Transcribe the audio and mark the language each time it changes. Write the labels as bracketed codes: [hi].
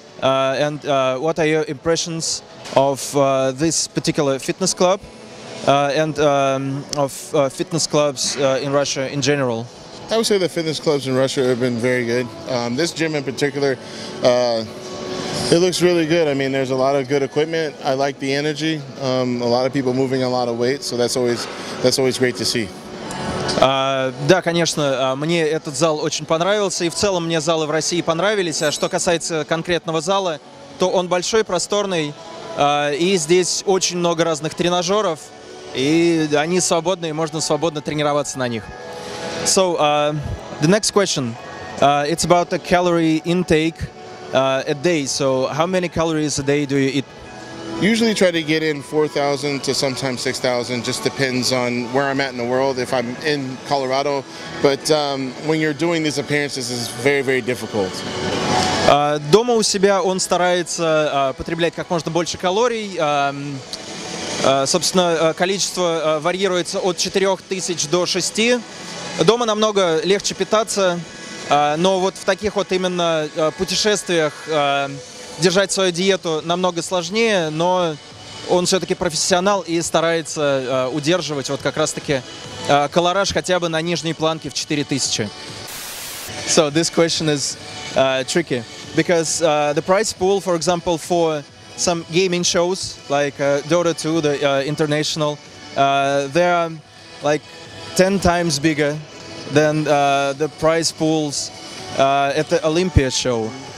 [en] And what are your impressions of this particular fitness club and of fitness clubs in Russia in general? I would say the fitness clubs in Russia have been very good. This gym in particular, it looks really good. I mean, there's a lot of good equipment. I like the energy. A lot of people moving a lot of weight, so that's always great to see. [ru] Да, конечно, мне этот зал очень понравился, и в целом мне залы в России понравились. А что касается конкретного зала, то он большой, просторный, и здесь очень много разных тренажеров, и они свободные, можно свободно тренироваться на них. [en] So, the next question, it's about the calorie intake a day. So, how many calories a day do you eat? Usually try to get in 4,000 to sometimes 6,000, just depends on where I'm at in the world, if I'm in Colorado. But when you're doing these appearances, it's very, very difficult. [ru] Дома у себя он старается потреблять как можно больше калорий. Собственно, количество варьируется от 4000 до 6. Дома намного легче питаться, но вот в таких вот именно путешествиях держать свою диету намного сложнее, но он все-таки профессионал и старается удерживать вот как раз-таки калораж хотя бы на нижней планке в 4000. [en] So this question is tricky, because the prize pool, for example, for some gaming shows, like Dota 2, the international, they are like 10 times bigger than the prize pools at the Olympia show.